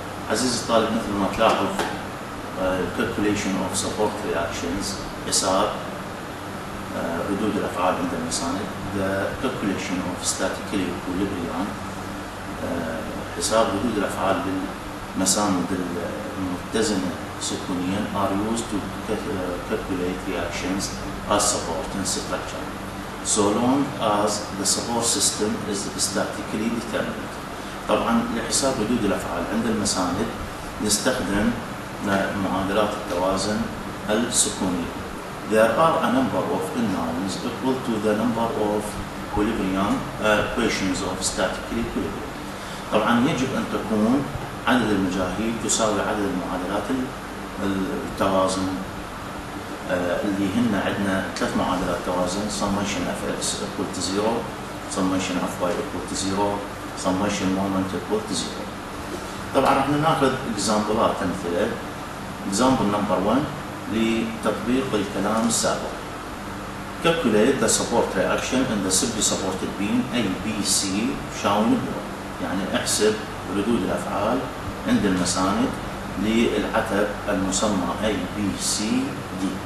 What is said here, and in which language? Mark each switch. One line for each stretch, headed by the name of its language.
Arabic: عزيزي الطالب، مثل ما تلاحظ
English: calculation of support reactions،
Arabic: حساب ردود الأفعال عند المصانع،
English: the calculation of static equilibrium،
Arabic: حساب ردود الأفعال بالمسامد المتزنة سكونيا،
English: are used to calculate reactions as support and structure so long as the support system is statically determined.
Arabic: طبعا لحساب ردود الأفعال عند المساند نستخدم معادلات التوازن السكونية.
English: There are a number of unknowns equal to the number of equilibrium equations of static equilibrium.
Arabic: طبعا يجب أن تكون عدد المجاهيل تساوي عدد المعادلات التوازن اللي هن عندنا ثلاث معادلات توازن:
English: summation of x equal to zero, summation of y equal to zero, summation moment equal to zero.
Arabic: طبعا احنا ناخذ اكزامبلات امثله. اكزامبل نمبر 1 لتطبيق الكلام السابق.
English: Calculate the support reaction in the simply supported beam ABC shown below.
Arabic: يعني احسب ردود الافعال عند المساند للعتب المسمى ABCD.